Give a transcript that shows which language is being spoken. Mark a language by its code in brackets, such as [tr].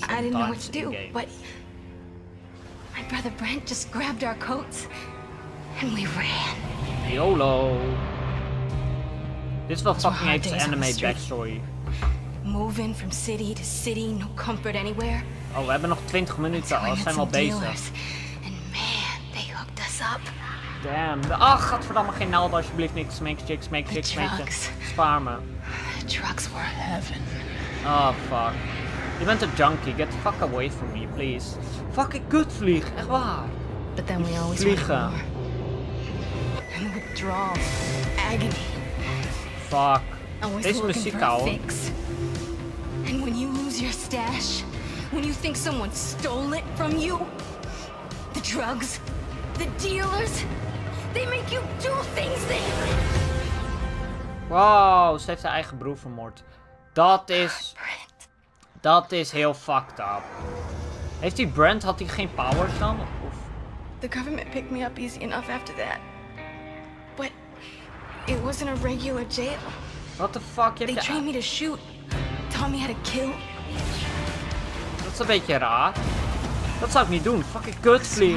[en] I didn't know what to do, but my brother Brent just grabbed our coats and we ran. [nl] YOLO. Dit is wel fucking apes anime backstory. [en] Moving from city to city, no comfort anywhere. [nl] Oh, we hebben nog 20 minuten, we zijn wel bezig. [en] And man, they hooked us up. Damn. [nl] Ach, godverdamme, geen naald alsjeblieft. Niks, make chicks. Spaar me. [en] The drugs were heaven. Oh, fuck. [nl] Je bent een junkie. [en] Get the fuck away from me, please. [nl] Fucking kutvlieg, echt waar. [en] But then we always [nl] vliegen. [en] And withdrawal. Agony. [nl] Fuck. Deze muziek ouwe. [en] And when you lose your stash, when you think someone stole it from you, the drugs, the dealers, they make you do things they... [nl] Wow, ze heeft zijn eigen broer vermoord. Dat is... Dat is heel fucked up. Heeft die Brent, had hij geen powers dan? Of? [en] The government picked me up easy enough after that. But it wasn't a regular jail. What the fuck? They trained me to shoot. Taught me how to kill. [nl] Dat is een beetje raar. Dat zou ik niet doen. Fucking kutvlieg.